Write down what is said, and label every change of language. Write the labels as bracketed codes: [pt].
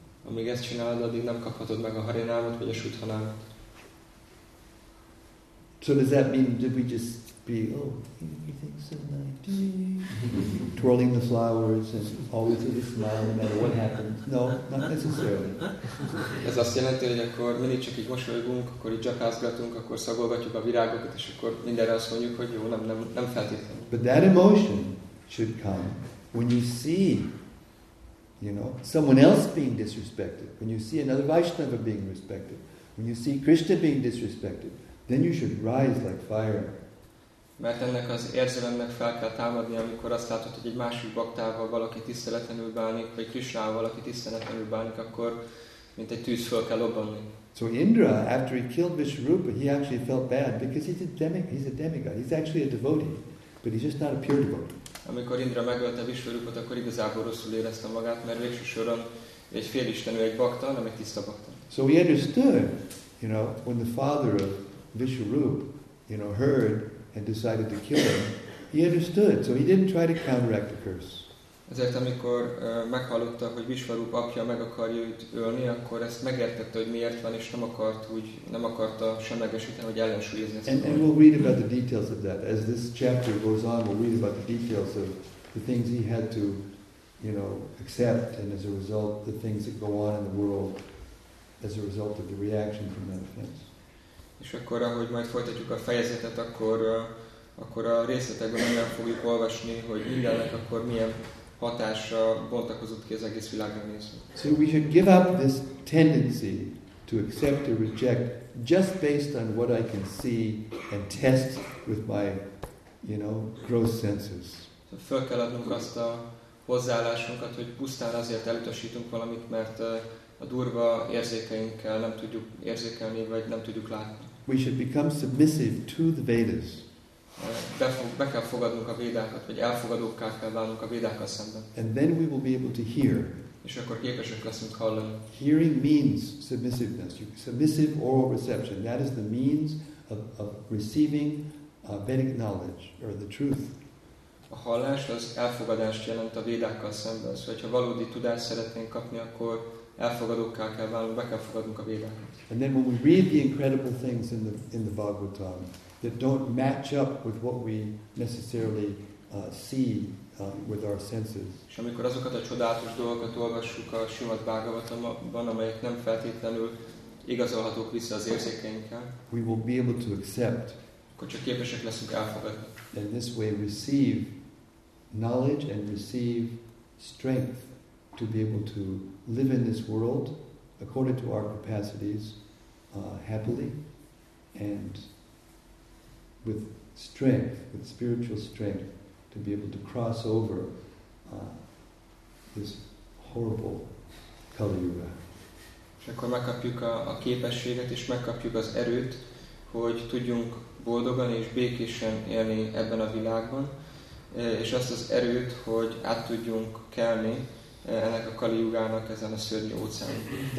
[hu] Amíg ezt csinálod, addig nem kaphatod meg a harinámot, vagy a suthanámot. [en] So does that mean, did we just be, oh, everything so nice, twirling the flowers, and always with a smile, no matter what happens? No, not necessarily. [hu] Ez azt jelenti, hogy akkor mindig csak így mosolygunk, akkor így csakázgatunk, akkor szagolgatjuk a virágokat, és akkor mindenre azt mondjuk, hogy jó, nem feltétlenül. [en] But that emotion should come when you see, you know, someone else being disrespected, when you see another Vaishnava being respected, when you see Krishna being disrespected, then you should rise like fire. [hu] Mert ennek az érzelemnek fel kell támadni, amikor azt látod, hogy egy másik baktával valaki tiszteletlenül bánik, vagy Krishnával valaki tiszteletlenül bánik, akkor mint egy tűz föl kell lobbanni. [en] So Indra, after he killed Vishwarupa, he actually felt bad because he's a demigod. He's actually a devotee, but he's just not a pure devotee. [hu] Amikor Indra megölte Vishwarupat, akkor igazából rosszul érezte magát, mert végső soron egy félistenű, egy bakta, nem egy tiszta bakta. [en] So he understood You know, when the father of Vishwarup, you know, heard and decided to kill him, he understood, so he didn't try to counteract the curse. [hu] Ezért amikor meghallotta, hogy Vishwarup apja meg akarja őt ölni, akkor ezt megértette, hogy miért van, és nem akart úgy, nem akarta semlegesíteni, hogy ellensúlyozni ezt. [en] And we'll read about the details of that. As this chapter goes on, we'll read about the details of the things he had to, you know, accept, and as a result, the things that go on in the world as a result of the reaction from that offense. [hu] És akkor, ahogy majd folytatjuk a fejezetet, akkor akkor a részletekben nem fogjuk olvasni, hogy mindennek akkor milyen hatása bontakozott ki az egész világra nézve. [en] So we should give up this tendency to accept or reject just based on what I can see and test with my, you know, gross senses. [hu] So föl kell adnunk azt a hozzáállásunkat, hogy pusztán azért elutasítunk valamit, mert a durva érzékeinkkel nem tudjuk érzékelni, vagy nem tudjuk látni. [en] We should become submissive to the Vedas. [hu] Be kell fogadnunk a védákat, vagy elfogadókká kell válnunk a védákkal szemben. [en] And then we will be able to hear. [hu] És akkor képesek leszünk hallani. [en] Hearing means submissiveness. Submissive oral reception. That is the means of receiving Vedic knowledge, or the truth. [hu] A hallás az elfogadást jelent a védákkal szemben. Szóval, hogyha valódi tudást szeretnénk kapni, akkor elfogadókká kell válnunk, be kell fogadnunk a védákat. [en] And then when we read the incredible things in the Bhagavatam, that don't match up with what we necessarily see with our senses. [hu] És amikor azokat a csodálatos dolgokat olvassuk a Srimad Bhagavatamban, amelyek nem feltétlenül igazolhatók vissza az érzékeinkkel, [en] we will be able to accept. [hu] Akkor csak képesek leszünk elfogadni. [en] In this way receive knowledge and receive strength to be able to live in this world according to our capacities happily and with strength, with spiritual strength, to be able to cross over this horrible Kali Yuga. [hu] És akkor megkapjuk a képességet, és megkapjuk az erőt, hogy tudjunk boldogan és békésen élni ebben a világban, és azt az erőt, hogy át tudjunk kelni ennek a Kali Yugának ezen a szörnyű óceánon.